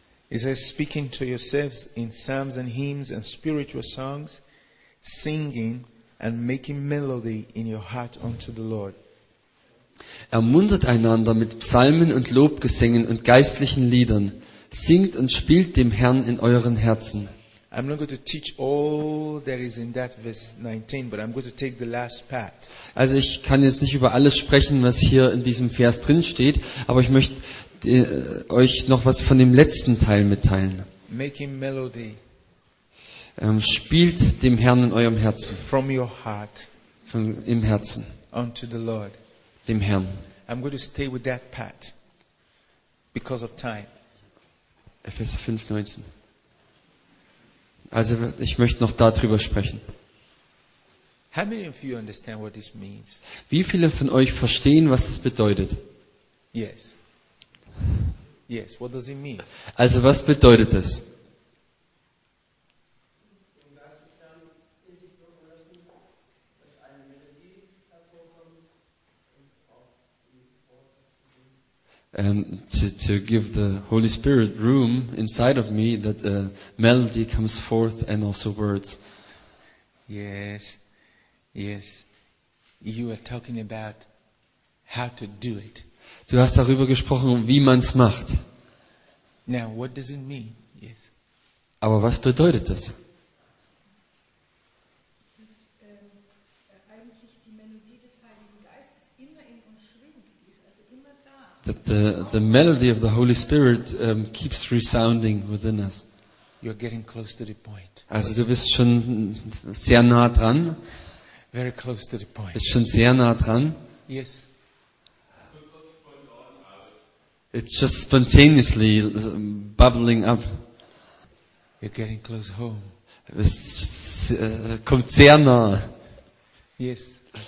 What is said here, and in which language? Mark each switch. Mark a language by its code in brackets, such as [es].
[en] It says, speaking to yourselves in psalms and hymns and spiritual songs, singing and making melody in your heart unto the Lord. [de] Ermuntert einander mit Psalmen und Lobgesängen und geistlichen Liedern. Singt und spielt dem Herrn in euren Herzen. [en] I'm not going to teach all that is in that verse 19, but I'm going to take the last part. [de] Also ich kann jetzt nicht über alles sprechen, was hier in diesem Vers drin steht, aber ich möchte euch noch was von dem letzten Teil mitteilen. [en] Making melody. [de] Spielt dem Herrn in eurem Herzen. [en] From your heart. [de] Im Herzen. [en] Unto the Lord. [de] Dem Herrn. [en] I'm going to stay with that part because of time. [de] Epheser 5, 19. Also ich möchte noch darüber sprechen. [en] How many of you understand what this means? [de] Wie viele von euch verstehen, was das bedeutet? [en] Yes. Yes, what does it mean? [de] Also was bedeutet das? [en] To give the Holy Spirit room inside of me that a melody comes forth and also words. Yes, yes. You are talking about how to do it. [de] Du hast darüber gesprochen, wie man es macht. [en] Now, what does it mean? Yes. [de] Aber was bedeutet das? [en] That the melody of the Holy Spirit keeps resounding within us. You're getting close to the point. [de] Also du bist schon sehr nah dran. [en] Very close to the point. [de] Bist schon sehr nah dran. [en] Yes. It's just spontaneously bubbling up. You're getting close home. [de] Es kommt sehr nah. [en] Yes.